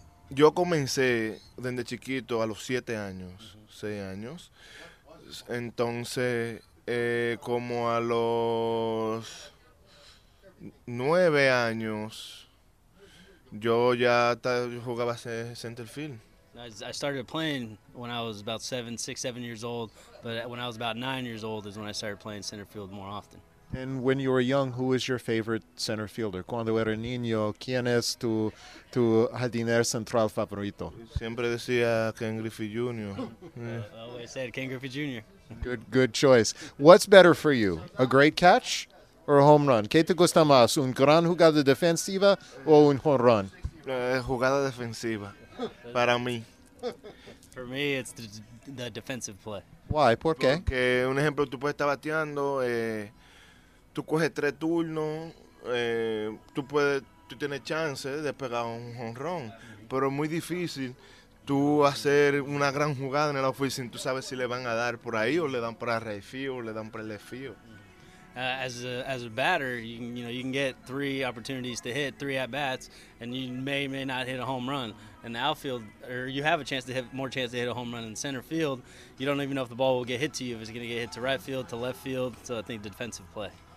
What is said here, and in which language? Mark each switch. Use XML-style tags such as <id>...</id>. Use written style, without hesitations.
<es>yo comencé desde chiquito a los 7 años, 6 años. Entonces, como a los 9 años, yo ya jugaba center field.</es> <en>I started playing when I was about 7 years old, but when I was about 9 years old is when I started playing center field more often. And when you were young, who was your favorite center fielder?</en> <es>Cuando era niño, ¿quién es tu jardinero central favorito? Siempre decía Ken Griffey Jr.</es> <en>I always said Ken Griffey Jr. Good choice. What's better for you, a great catch or a home run?</en> <es>¿Qué te gusta más, un gran jugada defensiva o un home run? Jugada defensiva, para mí.</es> <en>For me, it's the defensive play. Why?</en> <es>¿Por qué? Porque, un ejemplo, tú puedes estar bateando... tú coges 3 turnos, tú tienes chance de pegar un jonrón, pero es muy difícil tú hacer una gran jugada en el outfield. Tú sabes si le van a dar por ahí o le dan para right field o le dan para left field.</es> <en>As a batter, you can get 3 opportunities to hit, 3 at-bats, and you may not hit a home run. In the outfield, or you have more chance to hit a home run in center field. You don't even know if the ball will get hit to you, if it's going to get hit to right field, to left field. So I think defensive play.</en>